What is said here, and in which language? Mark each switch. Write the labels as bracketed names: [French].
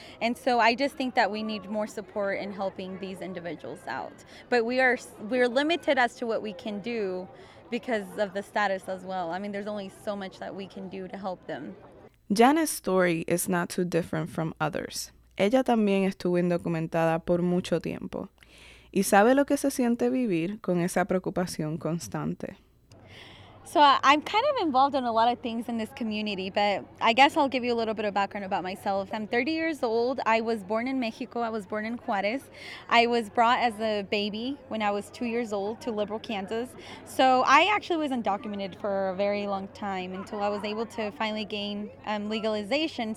[English] And so I just think that we need more support in helping these individuals out. But we're limited as to what we can do because of the status as well. I mean, there's only so much that we can do to help them. Janet's story is not too different from others. [Spanish] Ella también estuvo indocumentada por mucho tiempo. Y sabe lo que se siente vivir con esa preocupación constante. [English] So I'm kind of involved in a lot of things in this community, but I guess I'll give you a little bit of background about myself. I'm 30 years old. I was born in Mexico. I was born in Juarez. I was brought as a baby when I was 2 years old to Liberal, Kansas. So I actually was undocumented for a very long time until I was able to finally gain legalization.